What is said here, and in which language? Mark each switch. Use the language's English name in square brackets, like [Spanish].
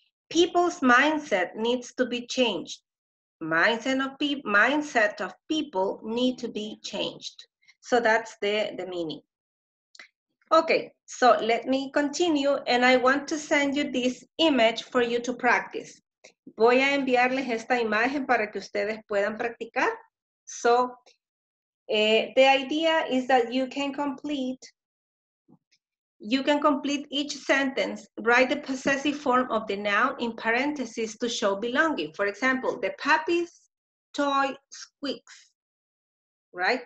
[English] People's mindset needs to be changed. Mindset of people need to be changed. So that's the meaning. Okay, so let me continue, and I want to send you this image for you to practice. [Spanish] Voy a enviarles esta imagen para que ustedes puedan practicar. [English] So, the idea is that you can complete you can complete each sentence, write the possessive form of the noun in parentheses to show belonging. For example, the puppy's toy squeaks, right?